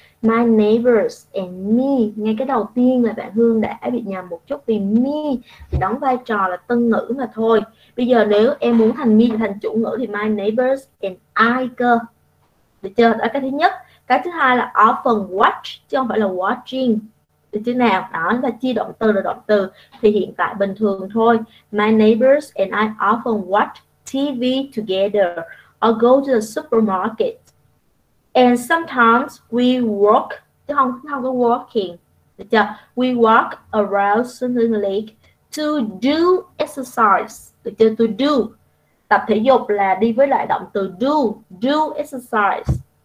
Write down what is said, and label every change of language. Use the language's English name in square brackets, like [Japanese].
[English] My neighbors and me. [Vietnamese] Ngay cái đầu tiên là bạn Hương đã bị nhầm một chút vì me đóng vai trò là tân ngữ mà thôi. Bây giờ nếu em muốn thành me thành chủ ngữ thì [English] my neighbors and I [Vietnamese] cơ. Được chưa? Đó là cái thứ nhất. Cái thứ hai là ở phần watch chứ không phải là watching. Được chưa nào? Đó là chia động từ là động từ. Thì hiện tại bình thường thôi. [English] My neighbors and I often watch TV together or go to the supermarket. And sometimes we walk, [Vietnamese] chứ không có [English] walking. [Vietnamese] Được chưa? [English] We walk around Sunning Lake to do exercise. Được chưa? To do. [Vietnamese] Tập thể dục là đi với lại động từ do. [English] Do exercise.